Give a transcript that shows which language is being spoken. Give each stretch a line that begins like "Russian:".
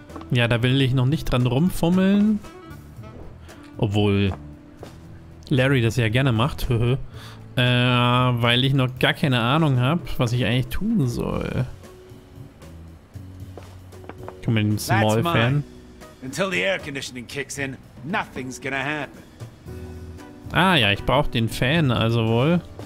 German: Ja, da will ich noch nicht dran rumfummeln. Obwohl Larry das ja gerne macht. weil ich noch gar keine Ahnung habe, was ich eigentlich tun soll. Komm mit dem Small Fan.
English: Until the air conditioning kicks in, nothing's gonna happen.
German: Ah ja, ich brauche den Fan also wohl.